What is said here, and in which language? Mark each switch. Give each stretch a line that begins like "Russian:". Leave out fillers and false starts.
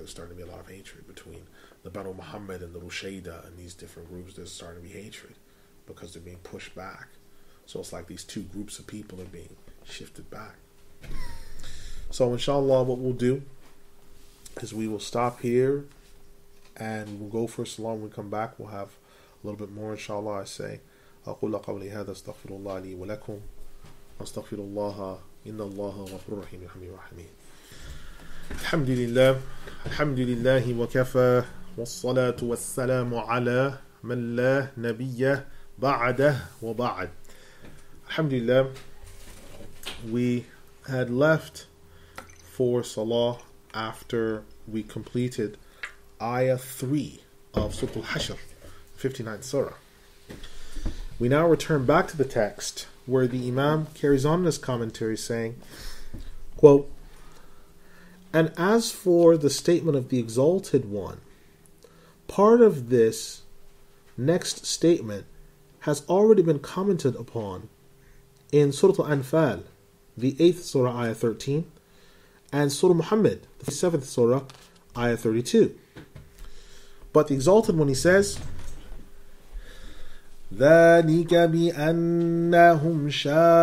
English: There's starting to be a lot of hatred between the Banu Muhammad and the Rusheida and these different groups. There's starting to be hatred because they're being pushed back. So it's like these two groups of people are being shifted back. So inshallah, what we'll do is we will stop here and we'll go for salam. When we come back, we'll have a little bit more inshallah. I say
Arabic: أقول قولي هذا استغفر الله لي ولكم استغفر الله إن الله غفور رحيم رحمه رحمه الحمد لله الحمد لله وكفى والصلاة والسلام على من لا نبي بعده وبعد الحمد لله.
English: We had left for salah after we completed ayah 3 of Surah Al-Hashr, 59th surah. We now return back to the text where the Imam carries on this commentary saying, quote, "And as for the statement of the Exalted One, part of this next statement has already been commented upon in Surah Al-Anfal, the 8th surah, ayah 13, and Surah Muhammad, the 7th surah, ayah 32. But the Exalted One, he says,
Arabic: ذَٰلِكَ بِأَنَّهُمْ شَاقُّوا